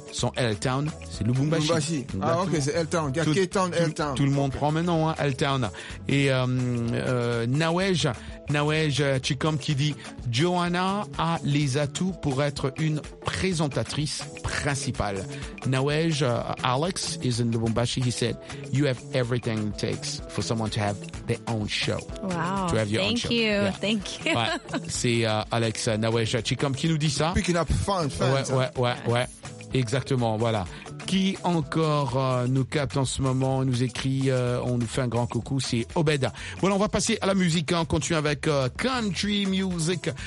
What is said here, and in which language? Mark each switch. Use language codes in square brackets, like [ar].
[fr] Son L-Town, c'est Lubumbashi. Lubumbashi. Ah, ok, c'est L-Town. Il y a K-Town, L-Town. Tout le monde prend maintenant, hein, L-Town. Et Nawej Chikom qui dit Joanna a les atouts pour être une présentatrice principale. [en] Nawej, Alex is in Lubumbashi. He said, you have everything it takes for someone to have their own show. Wow. To have your Thank own you. Show. Yeah. Thank you. [fr] Ouais. C'est Alex Nawej Chikom qui nous dit ça. [en] Picking up fun, fun. [fr] Ouais, ouais, ouais, ouais. Exactement, voilà. Qui encore nous capte en ce moment, nous écrit, on nous fait un grand coucou, c'est Obed. Voilà, on va passer à la musique, hein. On continue avec country music.